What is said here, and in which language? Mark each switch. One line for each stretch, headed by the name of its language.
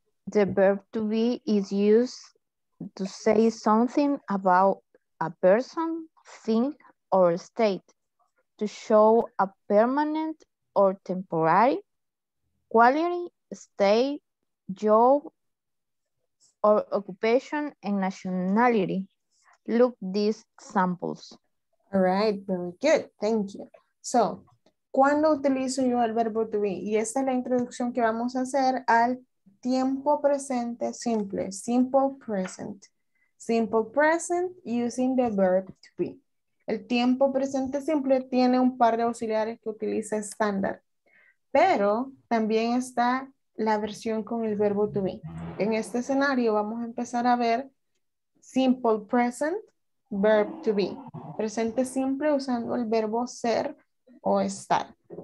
English: The verb to be is used to say something about a person, thing, or state, to show a permanent or temporary quality, state, job, or occupation and nationality. Look these examples. All right, very good. Thank you.
Spanish: So, ¿cuándo utilizo yo el verbo to be? Y esta es la introducción que vamos a hacer al tiempo presente simple.
English: Simple present. Simple present using the verb to be.
Spanish: El tiempo presente simple tiene un par de auxiliares que utiliza estándar, pero también está la versión con el verbo to be. En este escenario vamos a empezar a ver
English: simple present, verb to be.
Spanish: Presente simple usando el verbo ser o estar.